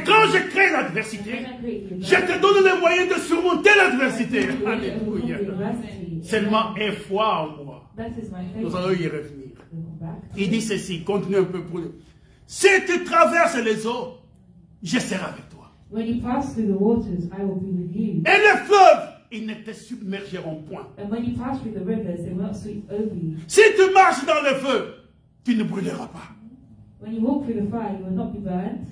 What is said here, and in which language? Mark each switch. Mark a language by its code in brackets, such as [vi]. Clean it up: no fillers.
[fr] Et quand je crée l'adversité, je te donne les moyens de surmonter l'adversité. Alléluia. Seulement un foi en moi. Nous allons y revenir. Il dit ceci, continue un peu pour lui. Si tu traverses les eaux, je serai avec toi. [en] When you pass through the waters, I will be with you. [fr] Et le fleuve, ils ne te submergeront point. [en] And when you pass through the rivers, they will not sweep over you. [fr] Si tu marches dans le feu, tu ne brûleras pas. [en] When you walk through the fire, you will not be burned.